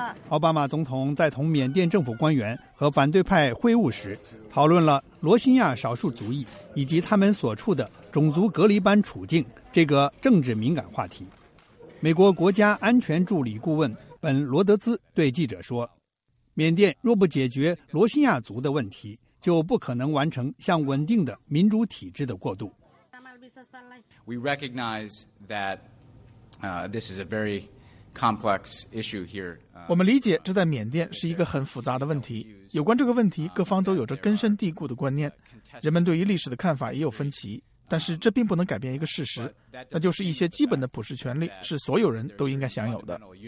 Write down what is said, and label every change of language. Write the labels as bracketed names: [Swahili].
[Chinese] 奥巴马总统在同缅甸政府官员和反对派会晤时，讨论了罗兴亚少数族裔以及他们所处的种族隔离般处境这个政治敏感话题。美国国家安全助理顾问本·罗德兹对记者说，缅甸若不解决罗兴亚族的问题，就不可能完成向稳定的民主体制的过渡。 [English] We recognize that this is a very complex issue here. [Chinese] 我们理解这在缅甸是一个很复杂的问题。有关这个问题，各方都有着根深蒂固的观念，人们对于历史的看法也有分歧。但是这并不能改变一个事实，那就是一些基本的普世权利是所有人都应该享有的。